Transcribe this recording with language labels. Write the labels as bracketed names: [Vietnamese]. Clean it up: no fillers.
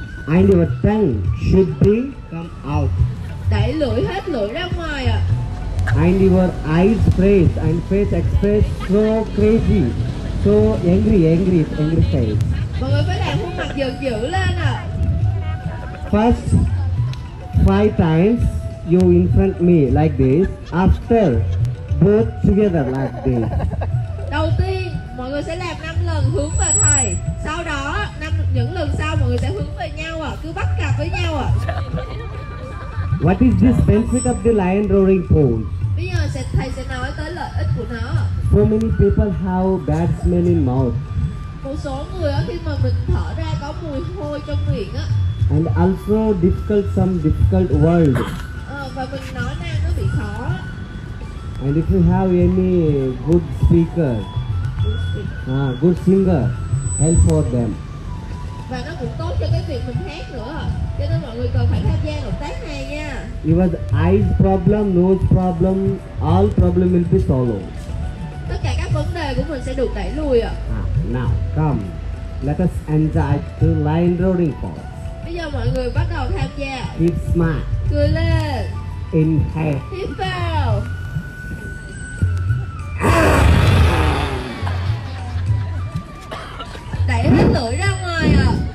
[English] And your tongue should be come out. [Vietnamese] Đẩy lưỡi hết lưỡi ra ngoài ạ. [English] And your eyes raised and face express so crazy, so angry face. [Vietnamese] Mọi người phải làm khuôn mặt dữ dữ lên ạ. [English] First 5 times you in front me like this, after both together like this. [Vietnamese] Đầu tiên mọi người sẽ làm 5 lần hướng về thầy, sau đó những lần sau mọi người sẽ hướng về nhau ạ, cứ bắt cặp với nhau ạ. [English] What is this benefit of the lion roaring pose? [Vietnamese] Bây giờ thầy sẽ nói tới lợi ích của nó. [English] So many people have bad smell in mouth. [Vietnamese] Một số người á, khi mà mình thở ra có mùi hôi trong miệng á. [English] And also difficult some difficult word. [Vietnamese] Và mình nói năng nó bị khó. [English] And if you have any good speaker, good singer, help for them. [Vietnamese] Và nó cũng tốt cho cái việc mình hát nữa. Cho nên mọi người cần phải tham gia hợp tác này nha. [English] It was eyes problem, nose problem, all problem will be solved. [Vietnamese] Tất cả các vấn đề của mình sẽ được đẩy lùi ạ. [English] Now come, let us enjoy the lion roaring pose. [Vietnamese] Bây giờ mọi người bắt đầu tham gia. [English] Keep smart. [Vietnamese] Cười lên. [English] Inhale. [Vietnamese] Hít vào. Đẩy hết lưỡi ra ngoài ạ.